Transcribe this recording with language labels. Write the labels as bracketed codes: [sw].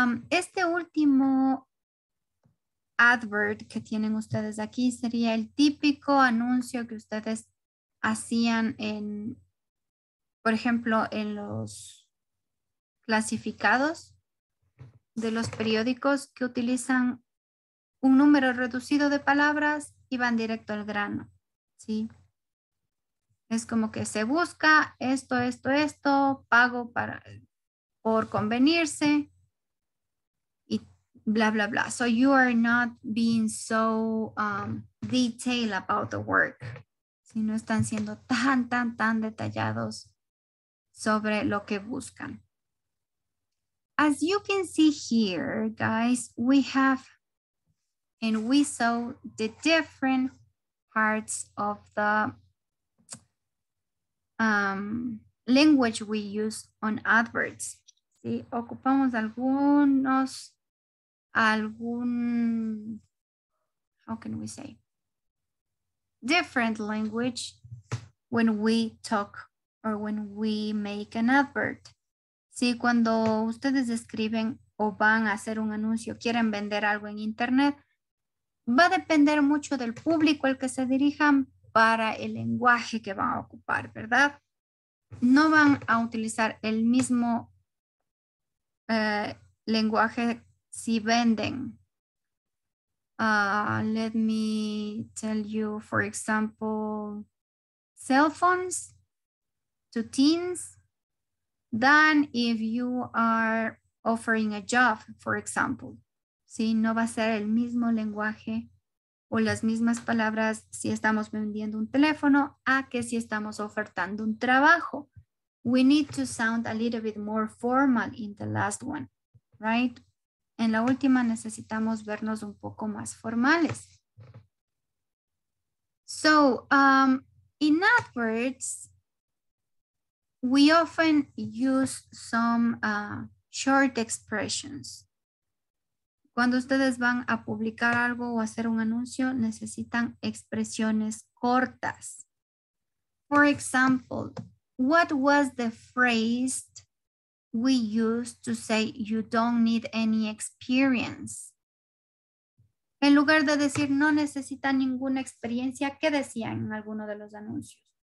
[es] Este último advert que tienen ustedes aquí sería el típico anuncio que ustedes hacían en, por ejemplo, en los clasificados de los periódicos que utilizan un número reducido de palabras y van directo al grano, ¿sí? Es como que se busca esto, esto, esto, pago para, por convenirse y bla, bla, bla. [en] So you are not being so detailed about the work. [es] Si no están siendo tan, tan, tan detallados sobre lo que buscan. [en] As you can see here, guys, we have and we saw the different parts of the language we use on adverts. [es] Sí, ocupamos [en] how can we say? Different language when we talk or when we make an advert. [es] Sí, cuando ustedes escriben o van a hacer un anuncio, quieren vender algo en internet, va a depender mucho del público al que se dirijan para el lenguaje que van a ocupar, ¿verdad? No van a utilizar el mismo lenguaje si venden. [en] Let me tell you, for example, cell phones to teens than if you are offering a job, for example. [es] Sí, no va a ser el mismo lenguaje o las mismas palabras si estamos vendiendo un teléfono a que si estamos ofertando un trabajo. [en] We need to sound a little bit more formal in the last one, right? [es] En la última necesitamos vernos un poco más formales. [en] So, in adverts, we often use some short expressions. [es] Cuando ustedes van a publicar algo o hacer un anuncio, necesitan expresiones cortas. [en] For example, what was the phrase we used to say you don't need any experience? [es] En lugar de decir no necesita ninguna experiencia, ¿qué decían en alguno de los anuncios?